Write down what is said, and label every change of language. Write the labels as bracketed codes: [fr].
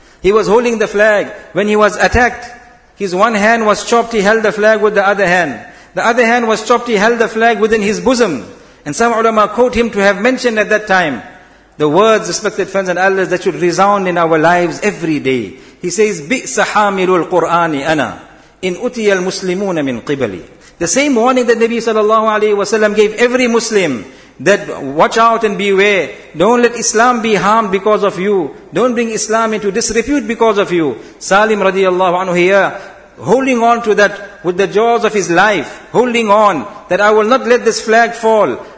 [en] He was holding the flag. When he was attacked, his one hand was chopped, he held the flag with the other hand. The other hand was chopped, he held the flag within his bosom. And some ulama quote him to have mentioned at that time, the words, respected friends and elders, that should resound in our lives every day. He says, [ar] بِئْسَ حَامِلُ الْقُرْآنِ أَنَا إِنْ أُتِيَ الْمُسْلِمُونَ مِنْ قِبَلِي. [en] The same warning that Nabi sallallahu alayhi wa sallam gave every Muslim, that watch out and beware. Don't let Islam be harmed because of you. Don't bring Islam into disrepute because of you. Salim radiallahu anhu here, holding on to that with the jaws of his life, holding on that I will not let this flag fall.